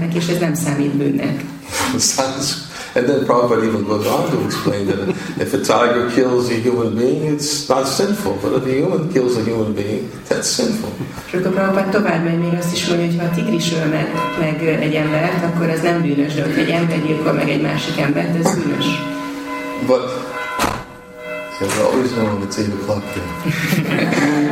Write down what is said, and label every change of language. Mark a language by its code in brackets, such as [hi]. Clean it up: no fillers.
[en] And then Prabhupada even goes on to explain that if a tiger kills a human being, it's not sinful. But if a human kills a human being, that's sinful. [hu] És akkor Prabhupada tovább megy, még azt is mondja, hogy ha a tigris öl meg egy embert, akkor az nem bűnös, de hogy egy ember gyilkol meg egy másik embert, ez bűnös. [en] But there's always no one at 8 o'clock here.